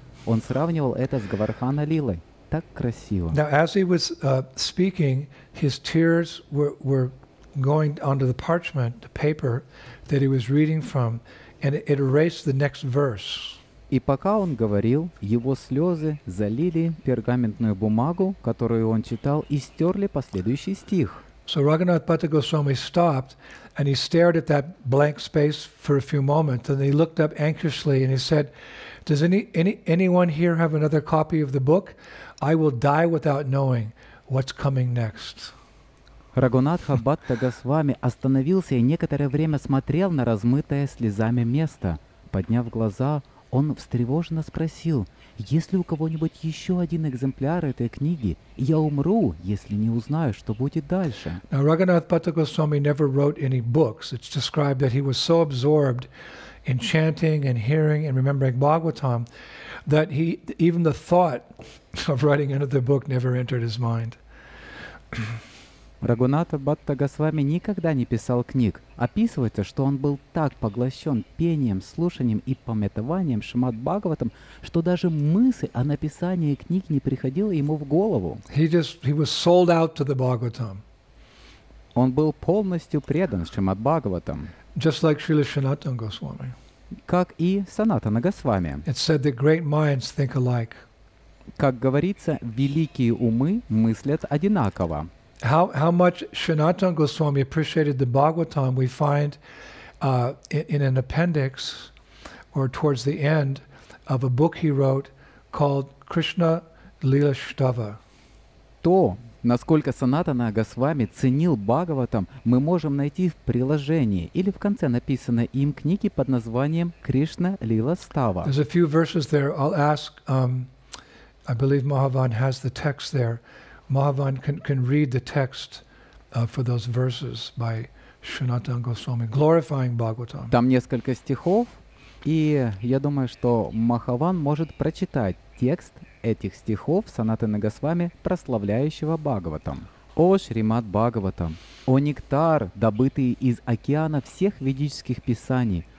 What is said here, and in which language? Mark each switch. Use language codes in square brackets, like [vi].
[ru] Он сравнивал это с Говардхана Лилой. Так красиво. [en] Now, as he was speaking, his tears were going onto the parchment, the paper that he was reading from, and it erased the next verse. [ru] И пока он говорил, его слезы залили пергаментную бумагу, которую он читал, и стерли последующий стих. [en] So Raghunath Bhatta Goswami stopped, and he stared at that blank space for a few moments, and he looked up anxiously, and he said, "Does anyone here have another copy of the book? I will die without knowing what's coming next." [ru] Рагунатха Бхатта Госвами остановился и некоторое время смотрел на размытое слезами место. Подняв глаза, он встревоженно спросил, «Есть ли у кого-нибудь еще один экземпляр этой книги? Я умру, если не узнаю, что будет дальше». [en] Now, Raghunath Bhatta Goswami never wrote any books. It's described that he was so absorbed in chanting and hearing and remembering Bhagavatam that he, even the thought of writing another book never entered his mind. [ru] Рагунатха Бхатта Госвами никогда не писал книг. Описывается, что он был так поглощен пением, слушанием и памятованием Шримад Бхагаватам, что даже мысль о написании книг не приходила ему в голову. [en] He was sold out to the Bhagavatam. [ru] Он был полностью предан Шримад Бхагаватам. [en] Just like Śrīla Sanatana Goswami. [ru] Как и Санатана Госвами. [en] It said that great minds think alike. [ru] Как говорится, великие умы мыслят одинаково. [en] How much Sanatana Goswami appreciated the Bhagavatam we find in an appendix or towards the end of a book he wrote called Krishna Lila Shtava. [ru] То, насколько Санатана Госвами ценил Бхагаватам, мы можем найти в приложении или в конце написанной им книги под названием Кришна Лила Става. [en] There's a few verses there. I'll ask, I believe Mahavan has the text there. Mahavan can read the text for those verses by Sanatana Goswami, glorifying Bhagavatam. [ru] Там несколько стихов, и я думаю, что Махаван может прочитать текст этих стихов Санатаны Госвами, прославляющего Бхагаватам. О Шримад Бхагаватам! О нектар, добытый из океана всех ведических писаний!